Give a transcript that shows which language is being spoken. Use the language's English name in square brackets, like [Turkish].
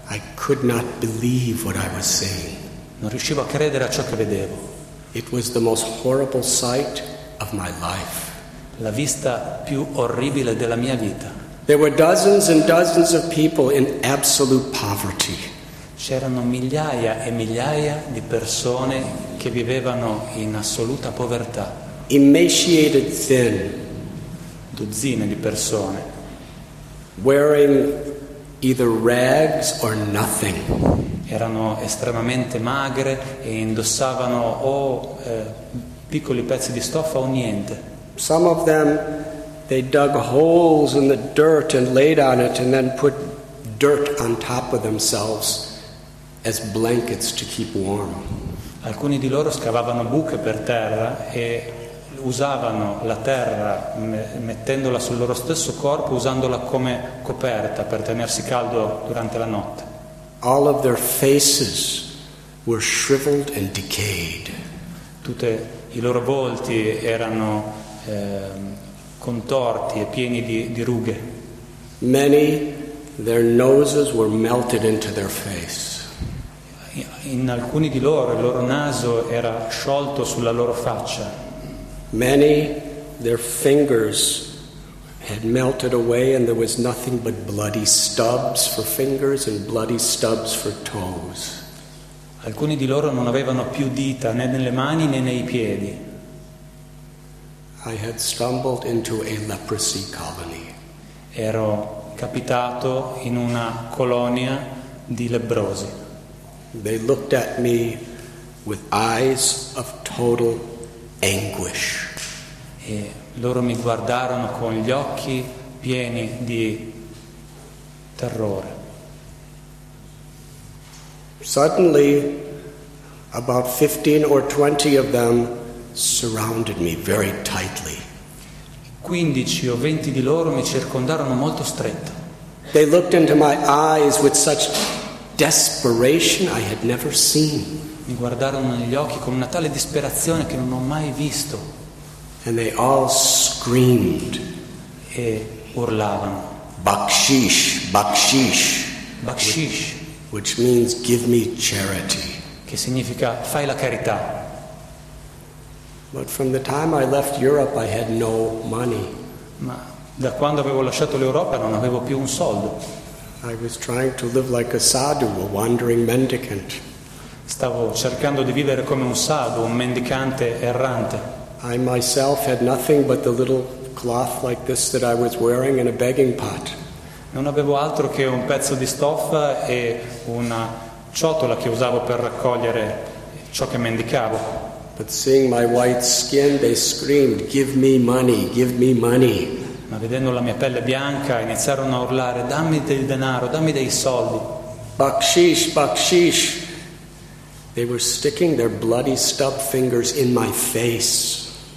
[English] I could not believe what I was seeing. [Italian] Non riuscivo a credere a ciò che vedevo. [English] It was the most horrible sight of my life. [Italian] La vista più orribile della mia vita. [English] There were dozens and dozens of people in absolute poverty. [Italian] C'erano migliaia e migliaia di persone che vivevano in assoluta povertà. [English] Emaciated thin. [Italian] Dozzine di persone. [English] Wearing either rags or nothing. [Italian] Erano estremamente magre e indossavano o piccoli pezzi di stoffa o niente. [English] Some of them, they dug holes in the dirt and laid on it and then put dirt on top of themselves as blankets to keep warm. [Italian] Alcuni di loro scavavano buche per terra e usavano la terra mettendola sul loro stesso corpo, usandola come coperta per tenersi caldo durante la notte. [English] All of their faces were shriveled and decayed. [Italian] Tutti i loro volti erano contorti e pieni di rughe. [English] Many their noses were melted into their face. [Italian] In alcuni di loro il loro naso era sciolto sulla loro faccia. [English] Many their fingers had melted away and there was nothing but bloody stubs for fingers and bloody stubs for toes. [Italian] Alcuni di loro non avevano più dita né nelle mani né nei piedi. [English] I had stumbled into a leprosy colony. [Italian] Ero capitato in una colonia di lebbrosi. [English] They looked at me with eyes of total anguish. [Italian] E loro mi guardarono con gli occhi pieni di terrore. [English] Suddenly, about 15 or 20 of them surrounded me very tightly. [Italian] 15 o 20 di loro mi circondarono molto stretto. [English] They looked into my eyes with such desperation I had never seen. [Italian] Mi guardarono negli occhi con una tale disperazione che non ho mai visto. [English] And they all screamed. [Italian] E urlavano. [Hindi] Bakshish, bakshish. Bakshish. [English] Which means give me charity. [Italian] Che significa fai la carità. [English] But from the time I left Europe I had no money. [Italian] Ma da quando avevo lasciato l'Europa non avevo più un soldo. [English] I was trying to live like a sadhu, a wandering mendicant. [Italian] Stavo cercando di vivere come un sadhu, un mendicante errante. [English] I myself had nothing but the little cloth like this that I was wearing and a begging pot. [Italian] Non avevo altro che un pezzo di stoffa e una ciotola che usavo per raccogliere ciò che mendicavo. [English] But seeing my white skin, they screamed, "Give me money, give me money." [Italian] Ma vedendo la mia pelle bianca, iniziarono a urlare, "Dammi del denaro, dammi dei soldi." [Hindi] Bakshish, bakshish. [English] They were sticking their bloody stub fingers in my face.